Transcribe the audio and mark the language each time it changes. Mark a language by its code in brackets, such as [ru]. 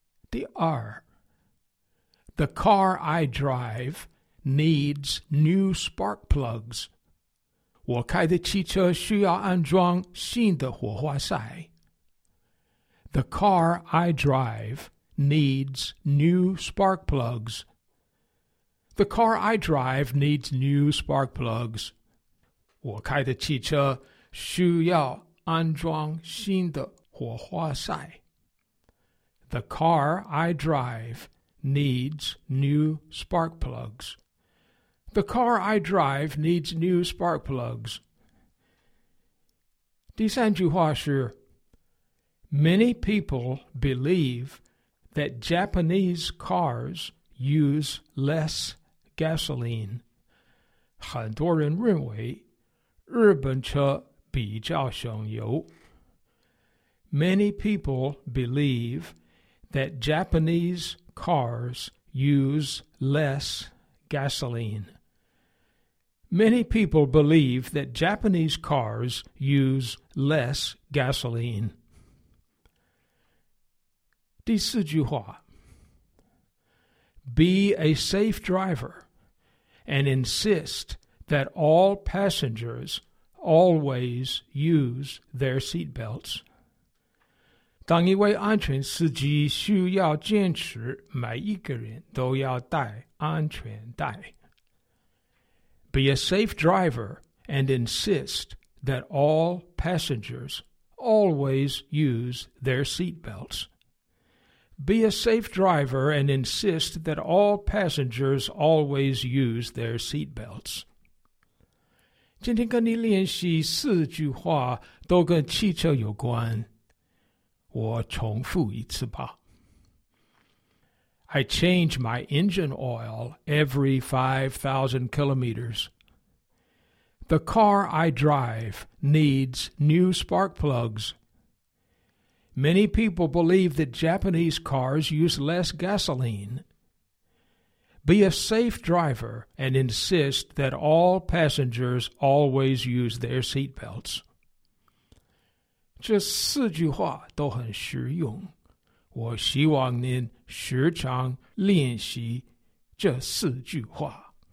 [zh] 第二， [en] The car I drive needs new spark plugs. [zh] 我开的汽车需要安装新的火花塞。 [en] The car I drive needs new spark plugs. The car I drive needs new spark plugs. [zh] 我开的汽车需要安装新的火花塞。 [en] The car I drive needs new spark plugs. The car I drive needs new spark plugs. [zh] 第三句话是， [en] Many people believe that Japanese cars use less gasoline. [zh] 很多人认为日本车比较省油。 [en] Many people believe that Japanese cars use less gasoline. Many people believe that Japanese cars use less gasoline. [zh] 第四句话， [en] Be a safe driver and insist that all passengers always use their seatbelts. [zh] 当一位安全司机需要坚持每一个人都要戴安全带。 [en] Be a safe driver and insist that all passengers always use their seatbelts. Be a safe driver and insist that all passengers always use their seatbelts. [zh] 今天跟你练习四句话都跟汽车有关。我重复一次吧。 [en] I change my engine oil every 5,000 kilometers. The car I drive needs new spark plugs. Many people believe that Japanese cars use less gasoline. Be a safe driver and insist that all passengers always use their seatbelts. [zh] 这四句话都很实用。我希望您时常练习这四句话。